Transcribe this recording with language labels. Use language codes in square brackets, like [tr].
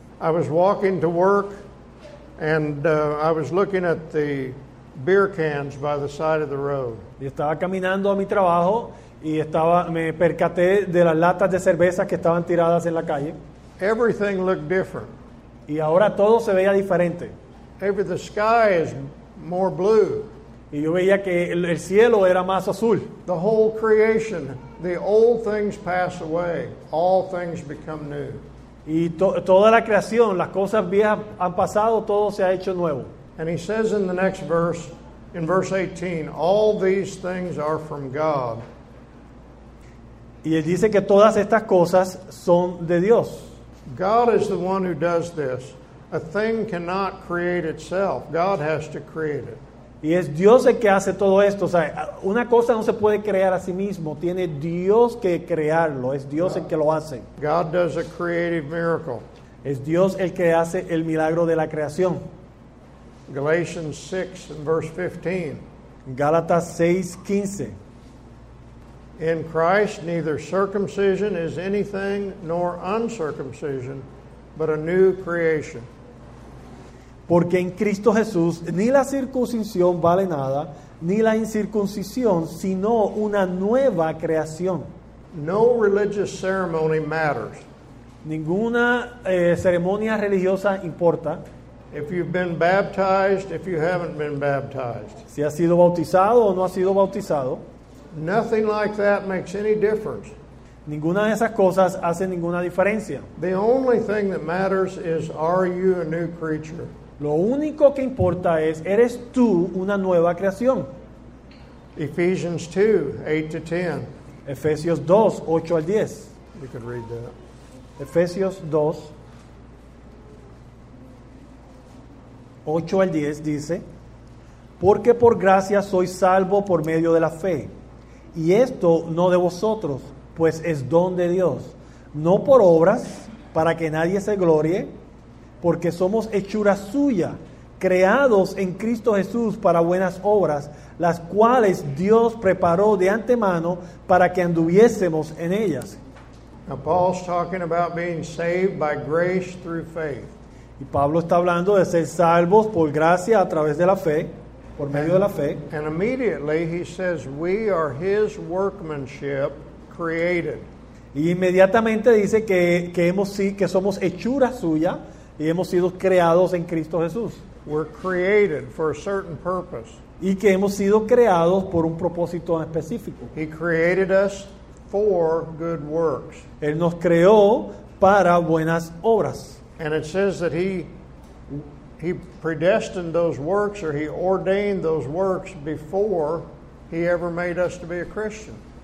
[en] I was walking to work and I was looking at the beer cans by the side of the road. [es] Yo estaba caminando a mi trabajo y me percaté de las latas de cerveza que estaban tiradas en la calle. [en] Everything looked different. [es] Y ahora todo se veía diferente. [en] The sky is more blue. [es] Y yo veía que el cielo era más azul. [en] The whole creation, the old things pass away, all things become new. [es] Y toda la creación, las cosas viejas han pasado, todo se ha hecho nuevo. [en] And he says in the next verse, in verse 18, all these things are from God. [es] Y él dice que todas estas cosas son de Dios. [en] God is the one who does this. A thing cannot create itself. God has to create it. [es] Y es Dios el que hace todo esto. O sea, una cosa no se puede crear a sí mismo. Tiene Dios que crearlo. Es Dios el que lo hace. [en] God does a creative miracle. [es] Es Dios el que hace el milagro de la creación. [en] Galatians 6 and verse 15. [es] Gálatas 6, 15. [en] In Christ neither circumcision is anything nor uncircumcision, but a new creation. [es] Porque en Cristo Jesús ni la circuncisión vale nada, ni la incircuncisión, sino una nueva creación. [en] No religious ceremony matters. [es] Ninguna ceremonia religiosa importa. [en] If you've been baptized, if you haven't been baptized. [es] Si has sido bautizado o no has sido bautizado. [en] Nothing like that makes any difference. [es] Ninguna de esas cosas hace ninguna diferencia. [en] The only thing that matters is, are you a new creature? [es] Lo único que importa es, ¿eres tú una nueva creación? [en] Ephesians 2, 8 to 10. [es] Efesios 2, 8 al 10. [en] You could read that. [es] Efesios 2, 8 al 10 dice, porque por gracia soy salvo por medio de la fe, y esto no de vosotros, pues es don de Dios, no por obras, para que nadie se glorie, porque somos hechura suya, creados en Cristo Jesús para buenas obras, las cuales Dios preparó de antemano para que anduviésemos en ellas. [en] Now Paul's talking about being saved by grace through faith. [es] Y Pablo está hablando de ser salvos por gracia a través de la fe, por medio de la fe. [en] And immediately he says, we are his workmanship, created. [es] Y inmediatamente dice que somos hechura suya y hemos sido creados en Cristo Jesús. [en] We're created for a certain purpose. [es] Y que hemos sido creados por un propósito en específico. [en] He created us for good works. [es] Él nos creó para buenas obras. [en] And it says that he predestined those works, or he ordained those works before he ever made us to be a Christian.